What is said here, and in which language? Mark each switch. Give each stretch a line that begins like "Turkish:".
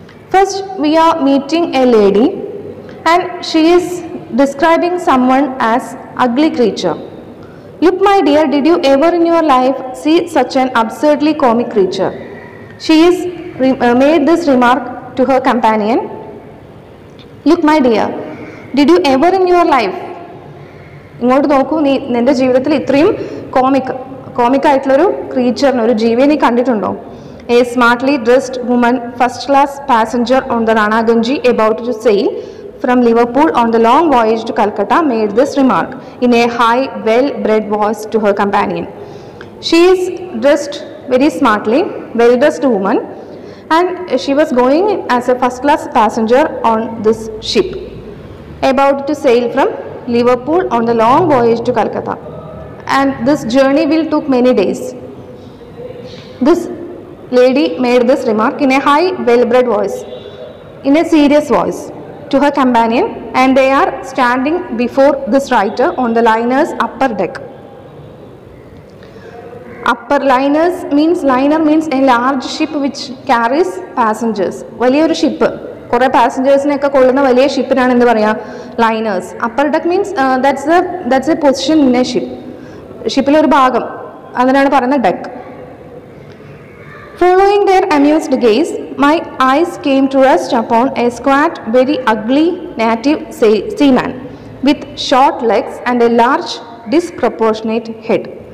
English: First, we are meeting a lady and she is describing someone as ugly creature. Look, my dear, did you ever in your life see such an absurdly comic creature? She is made this remark to her companion. Look, my dear, did you ever in your life?
Malayalam: ഇങ്ങോട്ട് നോക്കൂ, നീ നിന്റെ ജീവിതത്തിൽ ഇത്രയും comic ആയിട്ടുള്ള ഒരു ക്രീച്ചറിന്, ഒരു ജീവിയെ നീ കണ്ടിട്ടുണ്ടോ?
English: A smartly dressed woman, first class passenger on the Rana Ganji, about to sail from Liverpool on the long voyage to Calcutta, made this remark in a high, well-bred voice to her companion. She is dressed very smartly, well-dressed woman, and she was going as a first-class passenger on this ship, about to sail from Liverpool on the long voyage to Calcutta. And this journey will take many days. This lady made this remark in a high, well-bred voice, in a serious voice, to her companion, and they are standing before this writer on the liner's upper deck. Upper liners means, liner means a large ship which carries passengers.
Malayalam: വലിയ ഒരു ship, കുറേ പാസഞ്ചേഴ്സിനെ ഒക്കെ കൊള്ളുന്ന വലിയ ഷിപ്പിനാണ് എന്ന് പറയാം liners.
English: upper deck means that's a position in a ship,
Malayalam: ഷിപ്പിലൊരു ഭാഗം, അതിനാണ് പറയുന്നത് deck.
English: Following their amused gaze, my eyes came to rest upon a squat, very ugly native seaman with short legs and a large disproportionate head.